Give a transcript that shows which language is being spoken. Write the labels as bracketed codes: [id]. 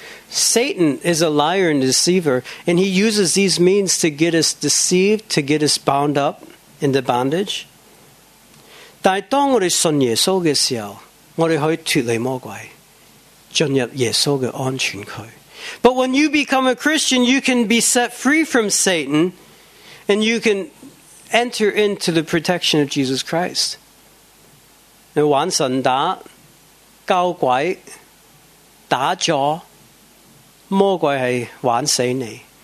[en] Satan is a liar and deceiver, and he uses these means to get us deceived, to get us bound up into bondage. [zh] 但当我们信耶稣的时候,我们可以脱离魔鬼,进入耶稣的安全区. [en] But when you become a Christian, you can be set free from Satan, and you can enter into the protection of Jesus Christ. [zh] 你玩神打,搞鬼,打坐,魔鬼是玩死你.